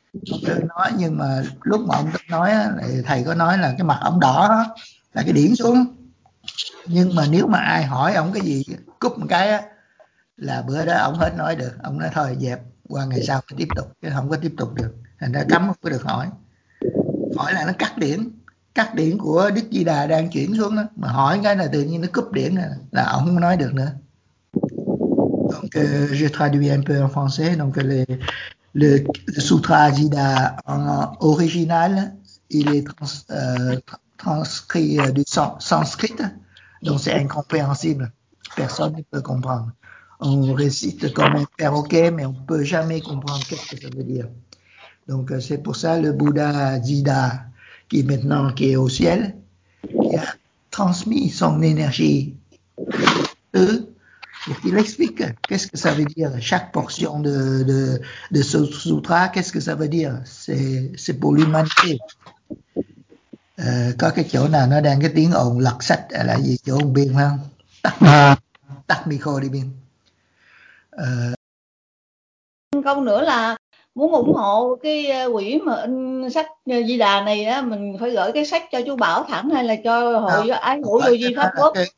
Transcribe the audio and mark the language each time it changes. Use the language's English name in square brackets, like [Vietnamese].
[Vietnamese] Ông Tư nói, nhưng mà lúc mà ông Tư nói thì thầy có nói là cái mặt ông đỏ là cái điển xuống, nhưng mà nếu mà ai hỏi ông cái gì cúp một cái á, là bữa đó ông hết nói được, ông nói thôi dẹp qua ngày sau tiếp tục, chứ không có tiếp tục được, thành ra cấm không có được hỏi. Hỏi là nó cắt điển của Đức Di Đà đang chuyển xuống đó, mà hỏi cái là tự nhiên nó cúp điển là ông không nói được nữa. [French] Donc je traduis un peu en français, donc le sutra Di Đà en original il est transcrit du sanskrit. Donc c'est incompréhensible, personne ne peut comprendre. On récite comme un perroquet, mais on ne peut jamais comprendre ce que ça veut dire. Donc c'est pour ça que le Bouddha Jida, qui est maintenant qui est au ciel, qui a transmis son énergie à eux, et qu'il explique qu'est-ce que ça veut dire, chaque portion de ce sutra, qu'est-ce que ça veut dire, c'est pour l'humanité. [Vietnamese] Có cái chỗ nào nó đang cái tiếng ồn lật sách là gì, chỗ ông Biên không? Tắt micro đi Biên. Câu nữa là muốn ủng hộ cái quỹ mà in sách Di Đà này á, mình phải gửi cái sách cho chú Bảo thẳng hay là cho hội ái hữu vô vi pháp quốc?